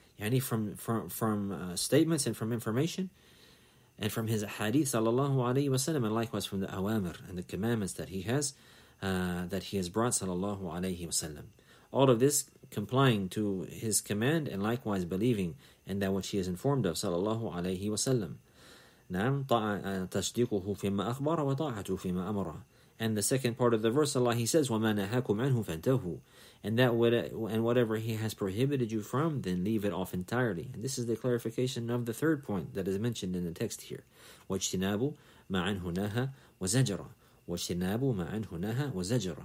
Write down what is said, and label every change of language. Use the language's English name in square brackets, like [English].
[English] يعني from statements and from information, and from his hadith sallallahu alayhi wasallam, and likewise from the awamir and the commandments that he has brought sallallahu alayhi wasallam. All of this, complying to his command and likewise believing in that which he is informed of sallallahu alayhi wasallam. [Arabic] نعم تصديقه فيما أخبر وطاعته فيما أمر. [English] And the second part of the verse, Allah, he says, [Arabic] وَمَا نَهَاكُمْ عَنْهُ فَانْتَهُوا. [English] And whatever he has prohibited you from, then leave it off entirely. And this is the clarification of the third point that is mentioned in the text here. [Arabic] وَاجْتِنَابُ مَا عَنْهُ نَهَا وَزَجَرَ. وَاجْتِنَابُ مَا عَنْهُ نَهَا وَزَجَرَ.